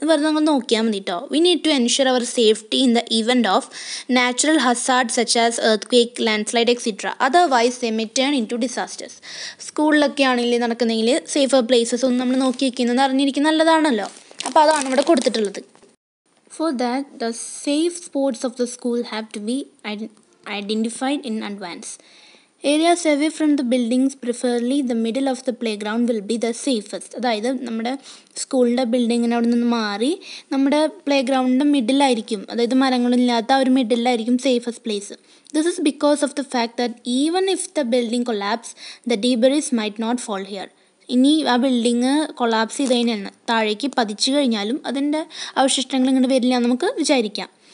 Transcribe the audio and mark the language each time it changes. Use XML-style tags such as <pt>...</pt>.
<ml>വെറുതെ നമ്മൾ നോക്കിയാൽ മതി കേട്ടോ.</ml> <en>We need to ensure our safety in the event of natural hazard such as earthquake, landslide etcetera. Otherwise they may turn into disasters.</en> <ml>സ്കൂളിലൊക്കെ ആണെങ്കിൽ നടക്കുന്നെങ്കിൽ safer places ഒന്ന് നമ്മൾ നോക്കി വയ്ക്കുന്നത് അറിഞ്ഞിരിക്കുന്ന നല്ലതാണല്ലോ. അപ്പോൾ അതാണ് ഇവിടെ കൊടുത്തിട്ടുള്ളത്.</ml> <en>For that, the safe spots of the school have to be identified in advance. Areas away from the buildings, preferably the middle of the playground, will be the safest.</en> <ml>അതായത് നമ്മുടെ സ്കൂളിൻ്റെ ബിൽഡിങ്ങിനവിടെ നിന്ന് മാറി നമ്മുടെ പ്ലേ ഗ്രൗണ്ടിൻ്റെ മിഡിലായിരിക്കും, അതായത് മരങ്ങളില്ലാത്ത ഒരു മിഡിലായിരിക്കും safest place.</ml> <en>This is because of the fact that even if the building collapse the debris might not fall here.</en> <ml>ഇനി ആ ബിൽഡിങ് കൊളാപ്സ് ചെയ്ത് കഴിഞ്ഞാൽ, താഴേക്ക് പതിച്ചു കഴിഞ്ഞാലും അതിൻ്റെ അവശിഷ്ടങ്ങൾ ഇങ്ങോട്ട് വരില്ല എന്ന് നമുക്ക് വിചാരിക്കാം.</ml>